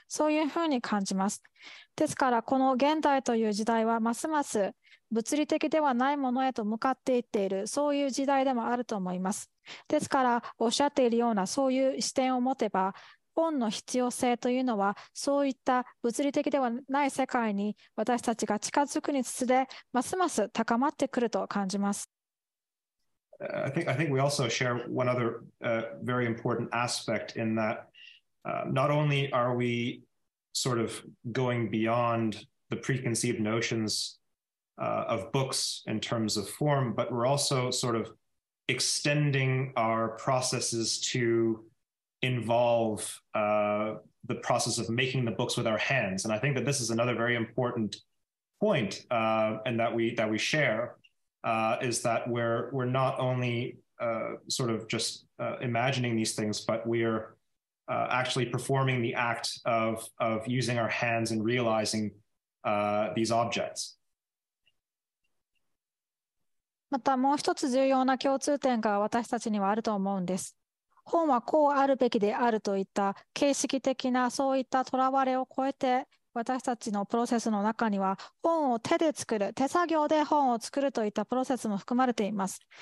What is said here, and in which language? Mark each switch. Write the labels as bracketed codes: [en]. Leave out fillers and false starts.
[ja] そういうふうに感じます。ですからこの現代という時代はますます物理的ではないものへと向かっていっている、そういう時代でもあると思います。ですから、おっしゃっているようなそういう視点を持てば、本の必要性というのは、そういった物理的ではない世界に私たちが近づくにつれ、ますます高まってくると感じます。 [en] I think we also share one other very important aspect in that not only are we sort of going beyond the preconceived notions of books in terms of form, but we're also sort of extending our processes to involve the process of making the books with our hands. And I think that this is another very important point and that we share is that we're not only sort of just imagining these things, but we're actually performing the act of using our hands and realizing these objects. [ja] またもう一つ重要な共通点が私たちにはあると思うんです。本はこうあるべきであるといった形式的なそういったとらわれを超えて私たちのプロセスの中には本を手で作る、手作業で本を作るといったプロセスも含まれています。